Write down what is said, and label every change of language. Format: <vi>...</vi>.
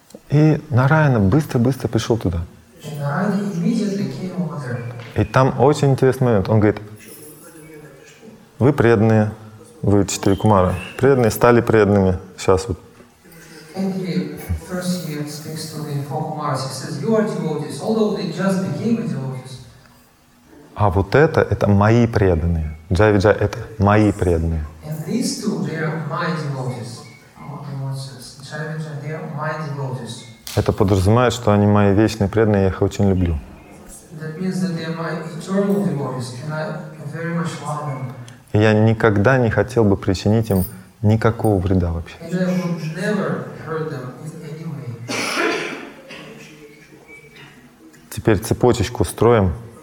<ru>И Нараяна быстро-быстро пришел туда. И там очень интересный момент. Он говорит, вы преданные, вы четыре кумара. Преданные стали преданными сейчас вот.</ru> <en>First he speaks to the four kumaras. He says, "You are devotees, although they just became devotees."</en> <ru>А вот это мои преданные. Джай Виджай, это мои преданные.</ru> <en>And these two, they are my devotees. Джай Виджай, they are my devotees.</en> <ru>Это подразумевает, что они мои вечные преданные, я их очень люблю.</ru> <en>That means that they are my eternal devotees, and I very much love them.</en> <ru>Я никогда не хотел бы причинить им никакого вреда вообще.</ru> <en>And I would never hurt them.</en> <ru>Теперь цепочечку строим.</ru>